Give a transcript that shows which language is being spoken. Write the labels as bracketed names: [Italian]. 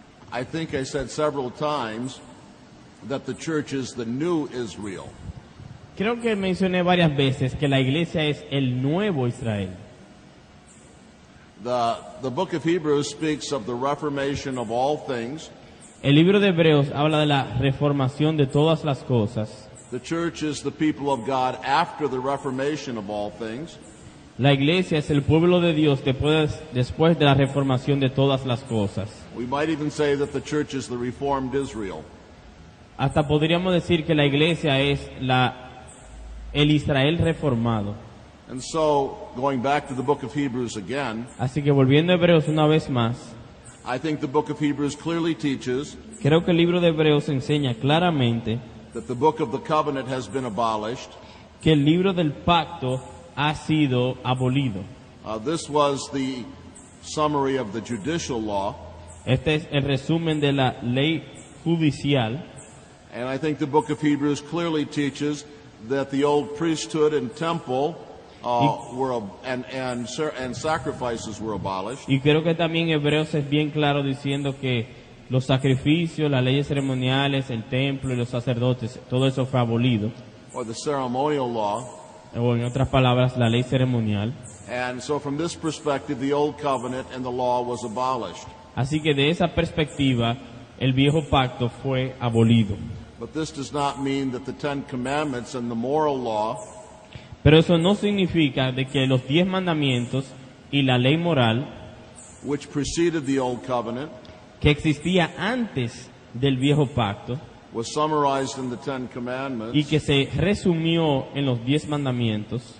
[English] I think I said several times that the church is the new Israel. [Spanish] Creo que mencioné varias veces que la iglesia es el nuevo Israel. [English] The book of Hebrews speaks of the reformation of all things. [Spanish] El libro de Hebreos habla de la reformación de todas las cosas. [English] The church is the people of God after the reformation of all things. [Spanish] La iglesia es el pueblo de Dios después de la reformación de todas las cosas. [English] We might even say that the church is the reformed Israel. [Spanish] Hasta podríamos decir que la iglesia es el Israel reformado. [English] And so, going back to the book of Hebrews again. [Spanish] Así que volviendo a Hebreos una vez más. [English] I think the book of Hebrews clearly teaches. [Spanish] Creo que el libro de Hebreos enseña claramente. [English] That the book of the covenant has been abolished. [Spanish] Que el libro del pacto ha sido abolido. [English] This was the summary of the judicial law. [Spanish] Este es el resumen de la ley judicial. [English] And I think the book of Hebrews clearly teaches that the old priesthood and temple and sacrifices were abolished. [Spanish] Y creo que también Hebreos es bien claro diciendo que los sacrificios, las leyes ceremoniales, el templo y los sacerdotes, todo eso fue abolido. [English] Or the ceremonial law. [Spanish] O en otras palabras, la ley ceremonial. [English] And so from this perspective, the old covenant and the law was abolished. [Spanish] Así que de esa perspectiva, el viejo pacto fue abolido. [English] But this does not mean that the Ten Commandments and the moral law. [Spanish] Pero eso no significa de que los diez mandamientos y la ley moral, [English] which preceded the old covenant, [Spanish] que existía antes del viejo pacto, [English] was summarized in the Ten Commandments, [Spanish] y que se resumió en los diez mandamientos,